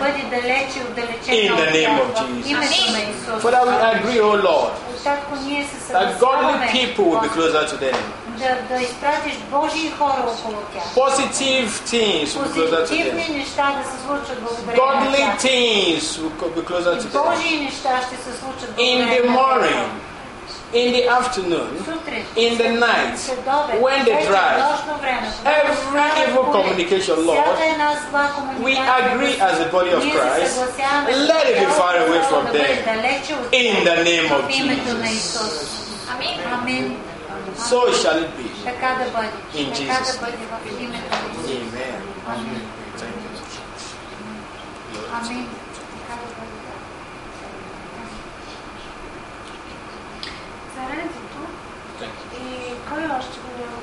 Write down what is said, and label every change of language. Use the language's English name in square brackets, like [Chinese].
[English] In the name of Jesus. Father, we agree, oh Lord, that godly people will be closer to them. [Bulgarian] Да изпратиш Божии хора около тях. [English] Positive things will be closer to them. [Bulgarian] Позитивни неща да се случат благодаря на тях. [English] Godly things will be closer to them. [Bulgarian] Божии неща ще се случат [English] in the morning, in the afternoon, in the night, when they drive, every evil communication, Lord, we agree as the body of Christ, let it be far away from them, in the name of Jesus. Amen. Amen. So shall it be. [Bulgarian] Така да бъде. [English] In Jesus. [Bulgarian] Така да бъде в името на Исус. [English] Amen. Amen. Amen. Thank you. Amen. [Bulgarian] Царенцето и кой още го няма?